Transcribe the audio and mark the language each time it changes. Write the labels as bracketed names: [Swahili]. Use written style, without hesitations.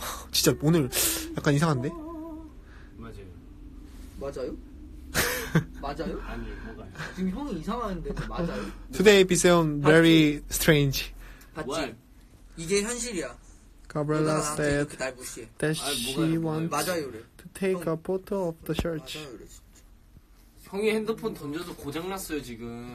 [Korean] 진짜 오늘 약간 이상한데? 맞아요. 맞아요? 맞아요? 아니 뭐가 지금 형이 이상한데 맞아요? [English] Today Biseon very strange. [Korean] 봤지? 이게 현실이야. [English] Gabriela said that she wants to take a photo of the church. [Korean] 형이 핸드폰 던져서 고장 났어요 지금.